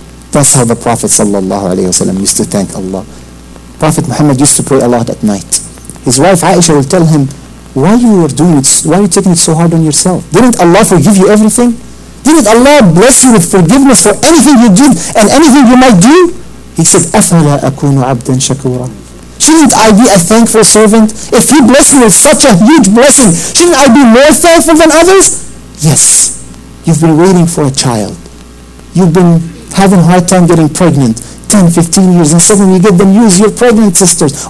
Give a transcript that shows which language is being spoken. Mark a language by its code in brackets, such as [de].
[en] That's how the Prophet sallallahu alayhi wasallam used to thank Allah. Prophet Muhammad used to pray a lot at night. His wife Aisha will tell him, why are you taking it so hard on yourself? Didn't Allah forgive you everything? Didn't Allah bless you with forgiveness for anything you did and anything you might do? He said, [ar] أَفَلَا أَكُونُ عَبْدًا شَكُورًا. [en] Shouldn't I be a thankful servant? If He blessed me with such a huge blessing, shouldn't I be more thankful than others? Yes. You've been waiting for a child. You've been having a hard time getting pregnant. 10, 15 years, and suddenly you get the news, you're pregnant, sisters.